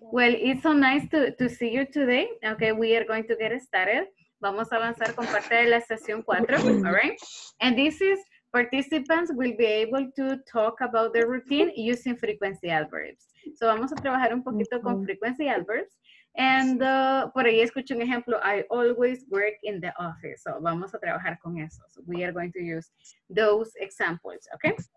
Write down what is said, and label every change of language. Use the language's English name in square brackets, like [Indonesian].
[English] Well, it's so nice to see you today. Okay, we are going to get started. [Spanish] Vamos a avanzar con parte de la sesión 4. [English] All right. And this is participants will be able to talk about their routine using frequency adverbs. [Spanish] So vamos a trabajar un poquito con frequency adverbs. And por ahí escucho un ejemplo, [English] I always work in the office. So [Spanish] vamos a trabajar con eso. [English] So we are going to use those examples, okay?